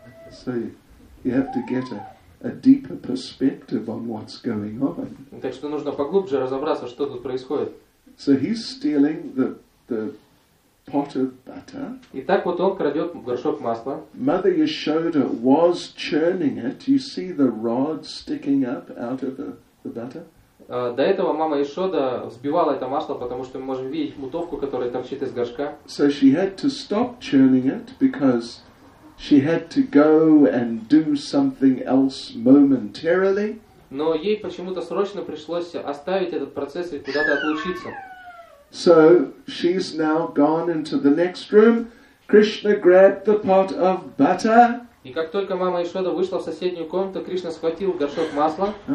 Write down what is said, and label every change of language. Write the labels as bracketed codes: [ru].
[en] So you have to get a deeper perspective on what's going on. [ru] Так что нужно поглубже разобраться, что тут происходит. [en] So he's stealing the pot of butter. [ru] И так вот он крадет горшок масла. [en] Mother Yashoda was churning it. You see the rod sticking up out of the butter? [ru] До этого мама Яшода взбивала это масло, потому что мы можем видеть мутовку, которая торчит из горшка. [en] So she had to stop churning it because she had to go and do something else momentarily. [ru] Но ей почему-то срочно пришлось оставить этот процесс и куда-то отлучиться. [en] So she's now gone into the next room. Krishna grabbed the pot of butter. [ru] И как только мама Яшода вышла в соседнюю комнату, Кришна схватил горшок масла.